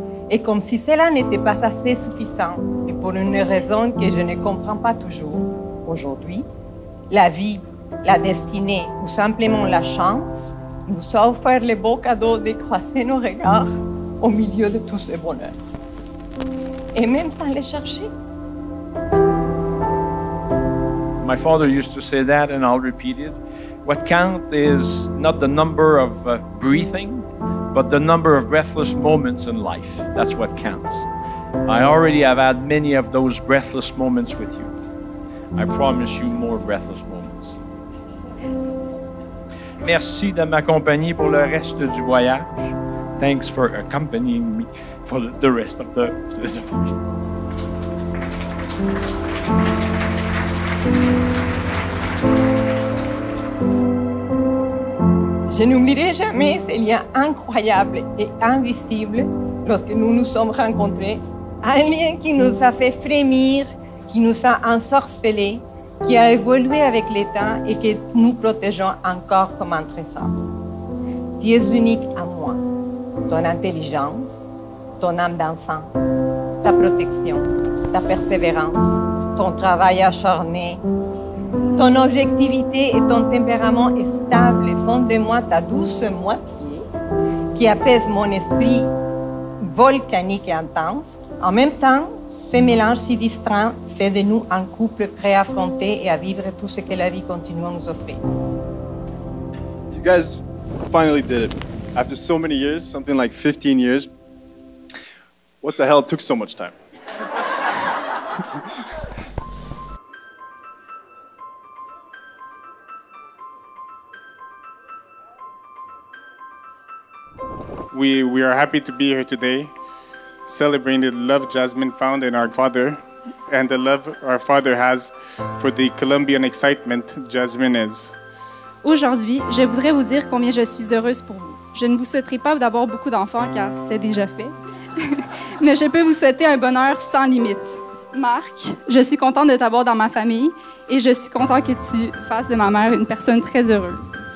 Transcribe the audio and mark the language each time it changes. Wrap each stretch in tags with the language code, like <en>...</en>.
<fr>Et comme si cela n'était pas assez suffisant et pour une raison que je ne comprends pas toujours aujourd'hui, la vie, la destinée ou simplement la chance nous a offert le beau cadeau de croiser nos regards au milieu de tous ces bonheurs. Et même sans les chercher.</fr> <en>My father used to say that, and I'll repeat it. What counts is not the number of breathing, but the number of breathless moments in life. That's what counts. I already have had many of those breathless moments with you. I promise you more breathless moments.</en> <fr>Merci de m'accompagner pour le reste du voyage.</fr> <en>Thanks for accompanying me for the rest of the voyage.</en> <fr>Je n'oublierai jamais ces liens incroyables et invisibles lorsque nous nous sommes rencontrés. Un lien qui nous a fait frémir, qui nous a ensorcelés, qui a évolué avec le temps et que nous protégeons encore comme un trésor. Tu es unique à moi. ton intelligence, ton âme d'enfant, ta protection, ta persévérance, ton travail acharné, ton objectivité et ton tempérament est stable et font de moi ta douce moitié qui apaise mon esprit volcanique et intense. En même temps, ce mélange si distinct fait de nous un couple prêt à affronter et à vivre tout ce que la vie continue à nous offrir.</fr> <en>You guys finally did it. After so many years, something like 15 years, what the hell took so much time? We are happy to be here today, celebrating the love Jasmine found in our father and the love our father has for the Colombian excitement Jasmine is.</en> <fr>Aujourd'hui, je voudrais vous dire combien je suis heureuse pour vous. Je ne vous souhaiterai pas d'avoir beaucoup d'enfants car c'est déjà fait, mais je peux vous souhaiter un bonheur sans limite. Marc, je suis contente de t'avoir dans ma famille et je suis contente que tu fasses de ma mère une personne très heureuse.</fr>